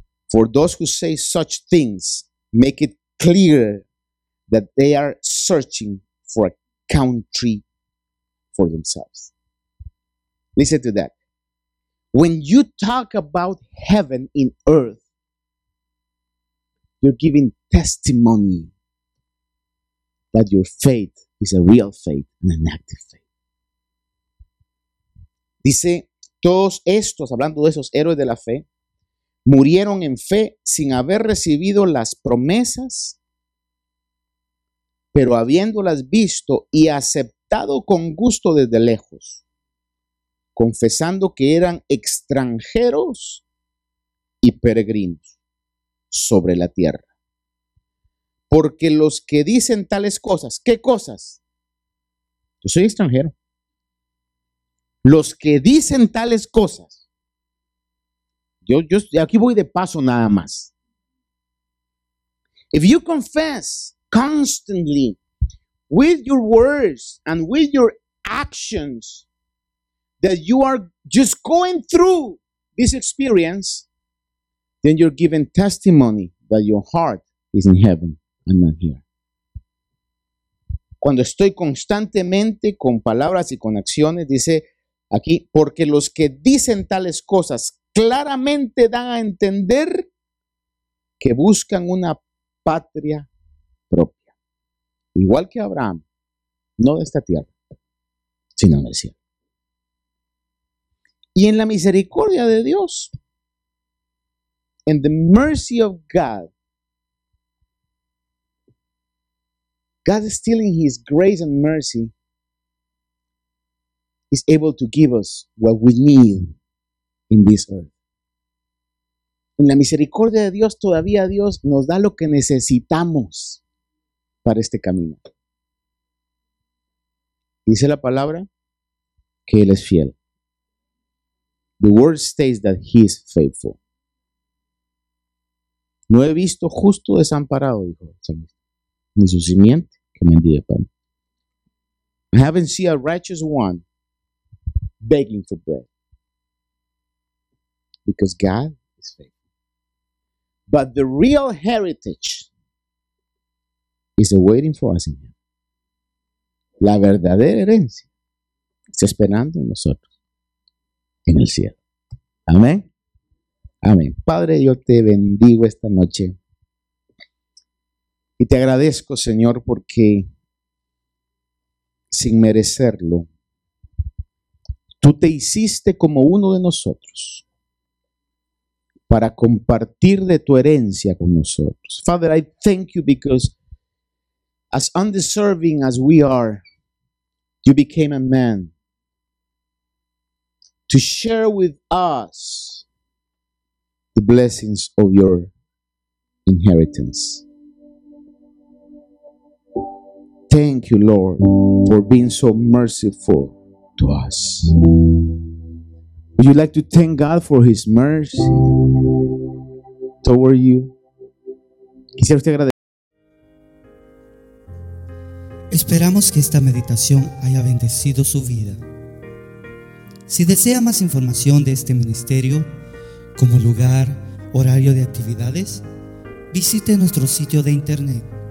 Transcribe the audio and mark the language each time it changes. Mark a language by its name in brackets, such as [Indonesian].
[English] For those who say such things make it clear that they are searching for a country for themselves. Listen to that. When you talk about heaven in earth, you're giving testimony that your faith is a real faith and an active faith. [Spanish] Dice, todos estos, hablando de esos héroes de la fe, murieron en fe sin haber recibido las promesas, pero habiéndolas visto y aceptado con gusto desde lejos, confesando que eran extranjeros y peregrinos sobre la tierra. Porque los que dicen tales cosas, ¿qué cosas? Yo soy extranjero. Los que dicen tales cosas, yo aquí voy de paso nada más. [English] If you confess constantly with your words and with your actions that you are just going through this experience, then you're giving testimony that your heart is in heaven and not here. [Spanish] Cuando estoy constantemente con palabras y con acciones, dice aquí, porque los que dicen tales cosas claramente dan a entender que buscan una patria propia. Igual que Abraham, no de esta tierra, sino en el cielo. Y en la misericordia de Dios, [English] in the mercy of God, God is still in his grace and mercy, is able to give us what we need in this earth. [Spanish] En la misericordia de Dios, todavía Dios nos da lo que necesitamos para este camino. Dice la palabra que Él es fiel. [English] The word states that He is faithful. [Spanish] No he visto justo desamparado, dijo el salmista, ni su simiente que mendigue pan. [English] I haven't seen a righteous one begging for bread, because God is faithful. But the real heritage is awaiting for us in Him. [Spanish] La verdadera herencia está esperando en nosotros en el cielo. Amén. Amén. Padre, yo te bendigo esta noche y te agradezco, Señor, porque sin merecerlo, tú te hiciste como uno de nosotros para compartir de tu herencia con nosotros. [English] Father, I thank you because as undeserving as we are, you became a man to share with us the blessings of your inheritance. Thank you, Lord, for being so merciful to us. Would you like to thank God for His mercy toward you? [Spanish] Quisiera usted agradecer. Esperamos que esta meditación haya bendecido su vida. Si desea más información de este ministerio, como lugar, horario de actividades, visite nuestro sitio de internet.